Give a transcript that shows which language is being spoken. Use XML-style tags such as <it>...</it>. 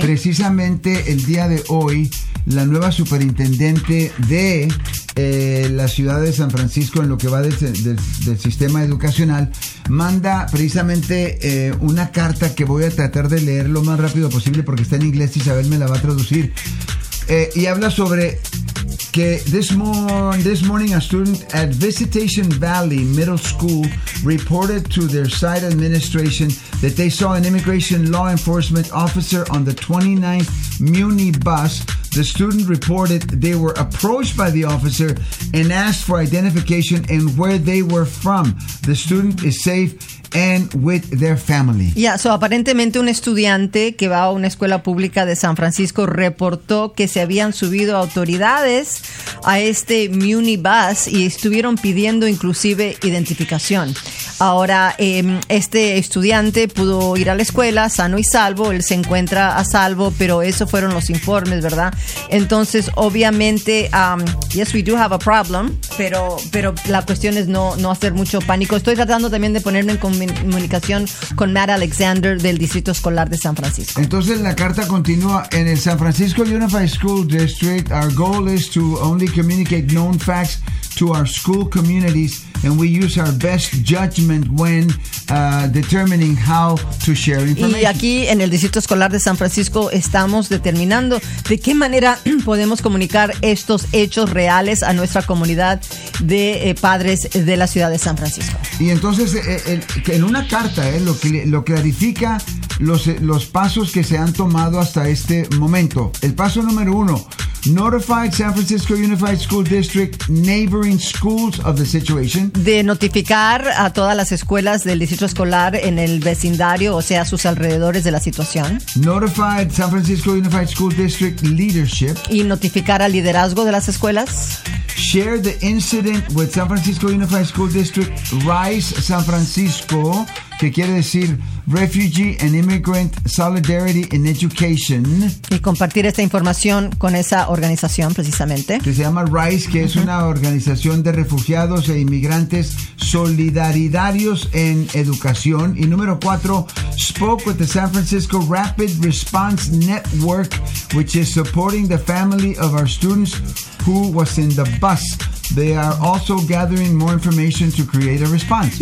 <es>Precisamente el día de hoy, la nueva superintendente de la ciudad de San Francisco, en lo que va del sistema educacional, manda precisamente una carta que voy a tratar de leer lo más rápido posible porque está en inglés. Isabel me la va a traducir. Y habla sobre que</es> <en>this morning a student at Visitation Valley Middle School reported to their site administration that they saw an immigration law enforcement officer on the 29th Muni bus. The student reported they were approached by the officer and asked for identification and where they were from. The student is safe and with their family. Yeah, so</en> <es>aparentemente un estudiante que va a una escuela pública de San Francisco reportó que se habían subido autoridades a este Muni bus y estuvieron pidiendo inclusive identificación. Ahora, este estudiante pudo ir a la escuela sano y salvo, él se encuentra a salvo, pero eso fueron los informes, ¿verdad? Entonces, obviamente,</es> <en>yes, we do have a problem,</en> <es>pero la cuestión es no hacer mucho pánico. Estoy tratando también de ponerme en comunicación con Matt Alexander del Distrito Escolar de San Francisco. Entonces, la carta continúa. En el</es> <en>San Francisco Unified School District, our goal is to only communicate known facts to our school communities, and we use our best judgment when determining how to share information.</en> <es>Y aquí en el Distrito Escolar de San Francisco estamos determinando de qué manera podemos comunicar estos hechos reales a nuestra comunidad de padres de la ciudad de San Francisco. Y entonces en una carta lo clarifica los pasos que se han tomado hasta este momento. El paso número uno:</es> <en>notified San Francisco Unified School District neighboring schools of the situation.</en> <es>De notificar a todas las escuelas del distrito escolar en el vecindario, o sea, sus alrededores de la situación.</es> <en>Notified San Francisco Unified School District leadership.</en> <es>Y notificar al liderazgo de las escuelas.</es> <en>Share the incident with San Francisco Unified School District RISE San Francisco,</en> <es>que quiere decir</es> <en>Refugee and Immigrant Solidarity in Education.</en> <es>Y compartir esta información con esa organización, precisamente. Que se llama RISE, que es una organización de refugiados e inmigrantes solidarios en educación. Y número cuatro,</es> <en>spoke with the San Francisco Rapid Response Network, which is supporting the family of our students who was in the bus. They are also gathering more information to create a response.</en>